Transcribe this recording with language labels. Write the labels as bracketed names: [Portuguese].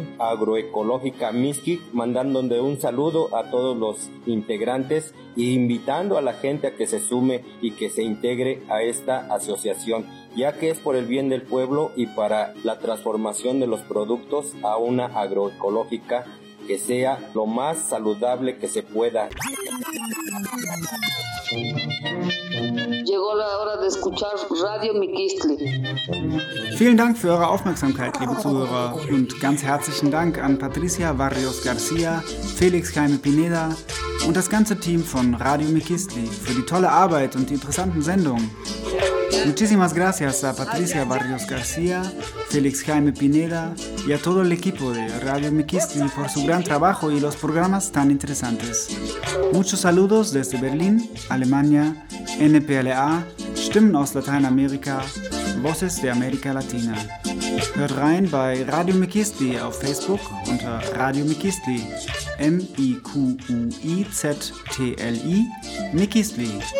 [Spanish] Agroecológica Miskik, mandando un saludo a todos los integrantes e invitando a la gente a que se sume y que se integre a esta asociación, ya que es por el bien del pueblo y para la transformación de los productos a una agroecológica que sea lo más saludable que se pueda. Llegó la hora de escuchar Radio Mikistli. [German] Vielen Dank für eure Aufmerksamkeit, liebe Zuhörer. Und ganz herzlichen Dank an Patricia Barrios Garcia, Felix Jaime Pineda und das ganze Team von Radio Mikistli für die tolle Arbeit und die interessanten Sendungen. [Spanish] Muchísimas gracias a Patricia Barrios García, Félix Jaime Pineda y a todo el equipo de Radio Mikistli por su gran trabajo y los programas tan interesantes. Muchos saludos desde Berlín, Alemania, NPLA, Stimmen aus Lateinamerika, Voces de América Latina. [German] Hört rein bei Radio Mikistli auf Facebook unter Radio Mikistli, M-I-Q-U-I-Z-T-L-I, Mikistli.